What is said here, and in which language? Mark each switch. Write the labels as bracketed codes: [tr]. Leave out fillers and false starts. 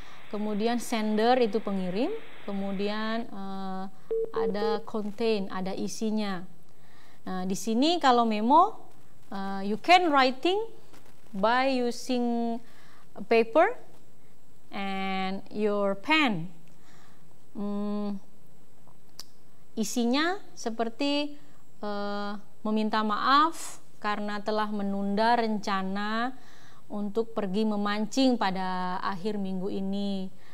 [id] Kemudian sender itu pengirim, kemudian ada contain, ada isinya. Nah, di sini kalau [en] memo you can writing by using paper and your pen. [id] Isinya seperti meminta maaf karena telah menunda rencana untuk pergi memancing pada akhir minggu ini.